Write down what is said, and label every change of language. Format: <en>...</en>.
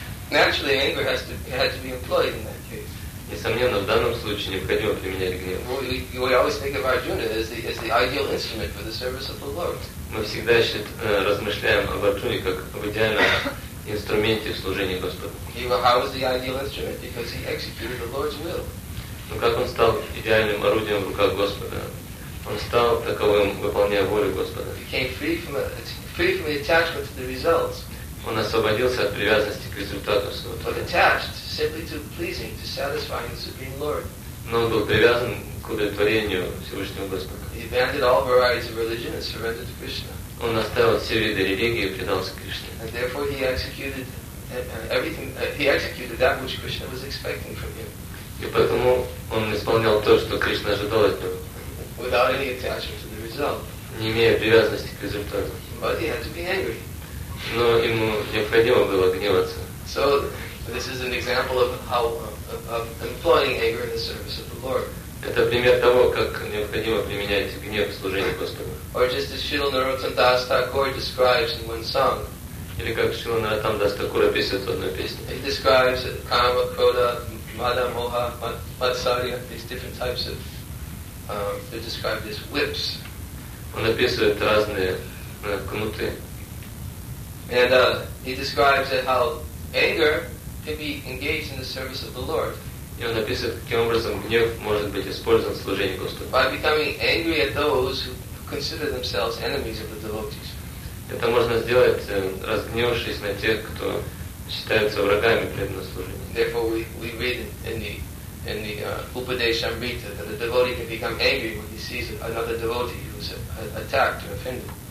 <en>Naturally, anger had to be employed in that case.</en> <ru>Несомненно, в данном случае необходимо применять гнев.</ru> <en>We always think of Arjuna as the ideal instrument for the service of the Lord.</en> <ru>Мы всегда размышляем об Арджуне как об идеальном инструменте в служении Господу.</ru> <en>How was the ideal instrument? Because he executed the Lord's will.</en> <ru>Но как он стал идеальным орудием в руках Господа? Он стал таковым, выполняя волю Господа.</ru> <en>He came free from the attachment to the results.</en> <ru>Он освободился от привязанности к результату своего.</ru> <en>But attached simply to pleasing, to satisfying the Supreme Lord.</en> <ru>Но он был привязан к удовлетворению Всевышнего Господа.</ru> <en>He abandoned all varieties of religion and surrendered to Krishna.</en> <ru>Он оставил все виды религии и предался Кришне.</ru> <en>And therefore he executed everything. He executed that which Krishna was expecting from him.</en> <ru>И поэтому он исполнял то, что Кришна ожидал от него.</ru> <en>Without any attachment to the result.</en> <ru>Не имея привязанности к результату.</ru> <en>But he had to be angry.</en> <ru>Но ему необходимо было гневаться.</ru> <en>So this is an example of how of employing anger in the service of the Lord.</en> <ru>Это пример того, как необходимо применять гнев в служении Господу.</ru> <en>Or just as Srila Narottam Das Thakur describes in one song.</en> <ru>Или как Srila Narottam Das Thakur описывает в одной песне.</ru> <en>He describes kama, krodha, mada, moha, matsarya, these different types of they describe these whips.</en> <ru>Он описывает разные кнуты.</ru> <en>And he describes that how anger can be engaged in the service of the Lord.</en> <ru>И он описывает, каким образом гнев может быть использован в служении Господу.</ru> <en>By becoming angry at those who consider themselves enemies of the devotees.</en> <ru>Это можно сделать, разгневавшись на тех, кто считается врагами преданного служения.</ru> <en>Therefore, we read in the Upadeshamrita that a devotee can become angry when he sees another devotee who is attacked or offended.</en>